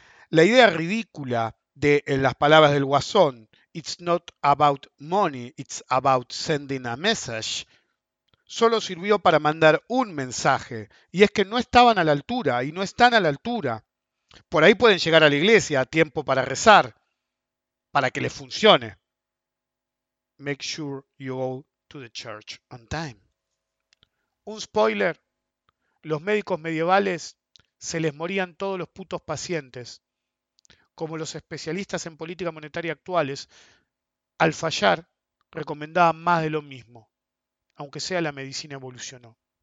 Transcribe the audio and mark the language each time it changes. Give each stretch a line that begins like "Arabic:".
Spanish: La idea ridícula de, en las palabras del Guasón,
English: "It's not about money, it's about sending a message",
Spanish: solo sirvió para mandar un mensaje, y es que no estaban a la altura y no están a la altura. Por ahí pueden llegar a la iglesia a tiempo para rezar, para que les funcione.
English: Make sure you go to the church on time.
Spanish: Un spoiler, los médicos medievales se les morían todos los putos pacientes, como los especialistas en política monetaria actuales, al fallar, recomendaban más de lo mismo, aunque sea la medicina evolucionó.